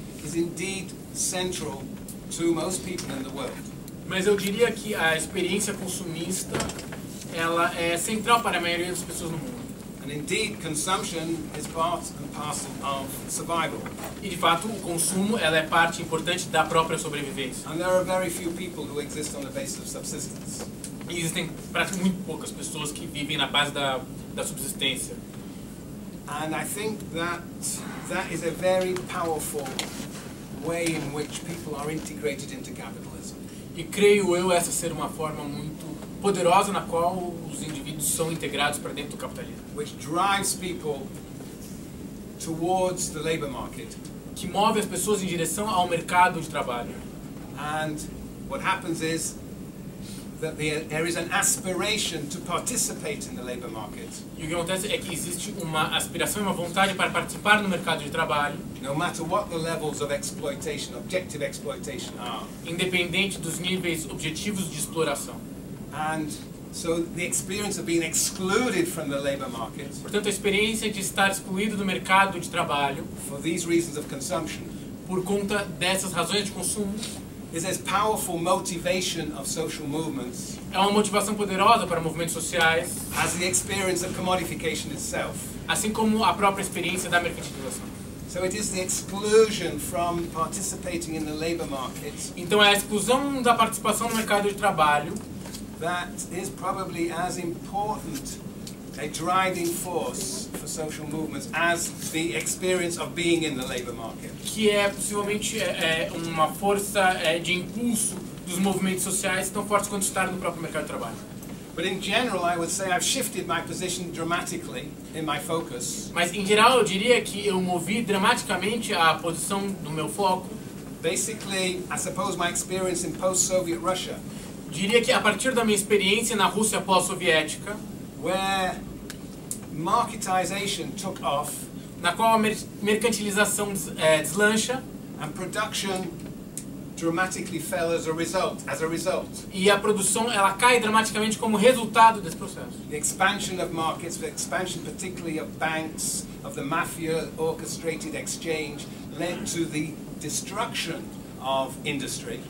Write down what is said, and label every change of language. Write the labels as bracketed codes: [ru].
[en] is indeed central to most people in the world. [pt] Mas eu diria que a experiência consumista ela é central para a maioria das pessoas no mundo. [en] And indeed, consumption is part and parcel of survival. [pt] E de fato, o consumo ela é parte importante da própria sobrevivência. [en] And there are very few people who exist on the basis of subsistence. [pt] E existem praticamente muito poucas pessoas que vivem na base da subsistência. [en] And I think that is a very powerful way in which people are integrated into capitalism. [pt] E creio eu essa ser uma forma muito poderosa na qual os indivíduos são integrados para dentro do capitalismo. [en] Which drives people towards the labor market. [pt] Que move as pessoas em direção ao mercado de trabalho. [en] And what happens is that there is an aspiration to participate in the labor market. [pt] E o que acontece é que existe uma aspiração e uma vontade para participar no mercado de trabalho. [en] No matter what the levels of exploitation, objective exploitation are. [pt] Independente dos níveis objetivos de exploração. [en] And so the experience of being excluded from the labor market. [pt] Portanto, a experiência de estar excluído do mercado de trabalho. [en] For these reasons of consumption. [pt] Por conta dessas razões de consumo. [en] Is a powerful motivation of social movements. [pt] É uma motivação poderosa para movimentos sociais. [en] As the experience of commodification itself. [pt] Assim como a própria experiência da mercantilização. [en] So it is the exclusion from participating in the labor market. [pt] Então é a exclusão da participação no mercado de trabalho. [en] That is probably as important a driving force for social movements as the experience of being in the labor market. [pt] Que é possivelmente uma força de impulso dos movimentos sociais tão fortes quanto estar no próprio mercado de trabalho. [en] But in general, I would say I've shifted my position dramatically in my focus. [pt] Mas em geral eu diria que eu movi dramaticamente a posição do meu foco. [en] Basically, I suppose my experience in post-Soviet Russia. [pt] Diria que a partir da minha experiência na Rússia pós-soviética, [en] where marketization took off, [pt] na qual a mercantilização deslancha, [en] and production dramatically fell as a result. [pt] E a produção ela cai dramaticamente como resultado desse processo. [en] The expansion of markets, the expansion particularly of banks, of the mafia orchestrated exchange led to the destruction of industry.